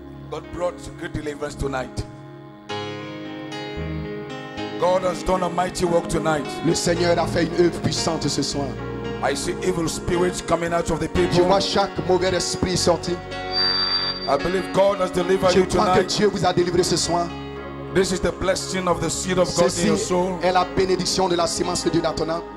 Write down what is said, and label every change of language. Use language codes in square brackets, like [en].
[en] God brought great deliverance tonight. God has done a mighty work tonight. [fr] Le Seigneur a fait une œuvre puissante ce soir. [en] I see evil spirits coming out of the people. [fr] Je vois chaque mauvais esprit sorti. [en] I believe God has delivered you tonight. [fr] Je crois que Dieu vous a délivré ce soir. [en] This is the blessing of the seed of God in your soul. [fr] Ceci est la bénédiction de la semence de Dieu dans ton âme.